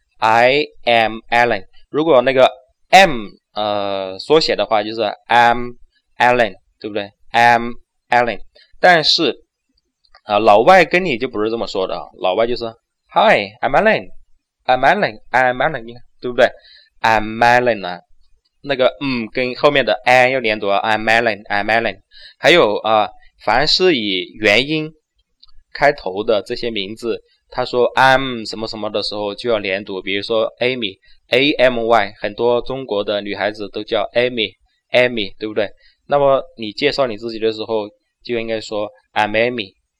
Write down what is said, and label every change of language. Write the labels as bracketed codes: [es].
[en] I am Alan。 [zh] 如果那个 M 缩写的话，就是 [en] I'm Alan， [zh] 对不对？ I'm Alan。 但是老外跟你就不是这么说的，老外就是 [en] Hi I'm Alan I'm Alan I'm Alan， [zh] 对不对？ I'm Alan 呢，那个跟后面的 I 要连读， [en] I'm Alan I'm Alan。 [zh] 还有凡是以元音开头的这些名字，他说 I'm 什么什么的时候就要连读，比如说 Amy A-M-Y， 很多中国的女孩子都叫 Amy， 对不对？那么你介绍你自己的时候就应该说 [en] I'm Amy。